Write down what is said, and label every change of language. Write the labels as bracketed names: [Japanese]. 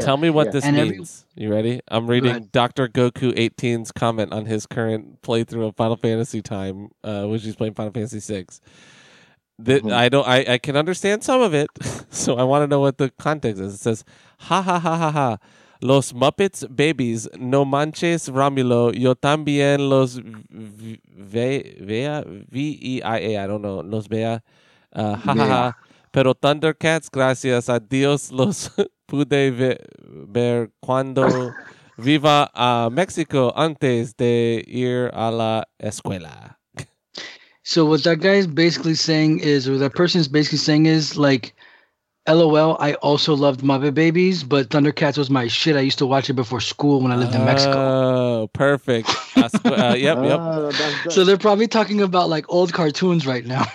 [English] tell me what this means. You ready? I'm reading Dr. Goku 18's comment on his current playthrough of Final Fantasy Time, which he's playing Final Fantasy VI. I can understand some of it, so I want to know what the context is. It says, ha ha ha ha ha. [Spanish] Los Muppets babies, no manches, Romulo, yo también los vea, V-E-I-A, [English] I don't know, [Spanish] los vea, pero Thundercats, gracias a Dios, los pude ver cuando viva a México antes de ir a la escuela. [English] So what that guy is basically saying is, or that person is basically saying is, like, LOL, I also loved Muppet Babies, but Thundercats was my shit. I used to watch it before school when I lived in Mexico. Oh, perfect. Yep. So they're probably talking about like old cartoons right now.